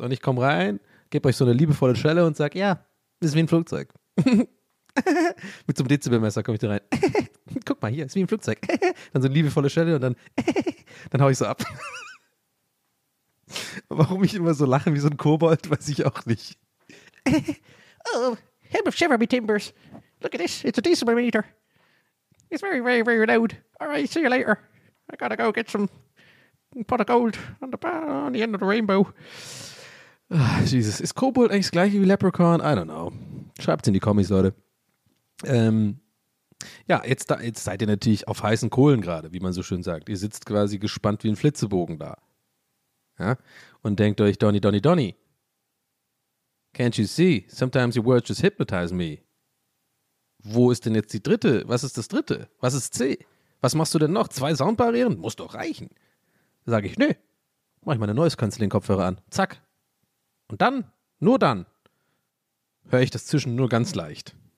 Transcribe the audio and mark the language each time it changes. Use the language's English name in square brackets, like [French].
[German] Und ich komme rein, gebe euch so eine liebevolle Schelle und sage, ja, ist wie ein Flugzeug. Mit so einem Dezibelmesser komme ich da rein. Guck mal hier, ist wie ein Flugzeug. Dann so eine liebevolle Schelle und dann haue ich so ab. Warum ich immer so lache wie so ein Kobold, weiß ich auch nicht. [English] Oh, Helm of Chevrolet Timbers. Look at this, it's a Dezibelmeter. It's very, very, very loud. All right, see you later. I gotta go get some pot of gold on the end of the rainbow. [German] Ah, Jesus, ist Kobold eigentlich das gleiche wie Leprechaun? [English] I don't know. [German] Schreibt's in die Kommis, Leute. Ja, jetzt seid ihr natürlich auf heißen Kohlen gerade, wie man so schön sagt. Ihr sitzt quasi gespannt wie ein Flitzebogen da. Ja? Und denkt euch, Donny, Donny, Donny. [English] Can't you see? Sometimes your words just hypnotize me. [German] Wo ist denn jetzt die dritte? Was ist das dritte? Was ist C? Was machst du denn noch? Zwei Soundbarrieren? Muss doch reichen. Da sage ich, nö. Mach ich meine Noise-Canceling-Kopfhörer an. Zack. Und dann, nur dann, höre ich das Zischen nur ganz leicht.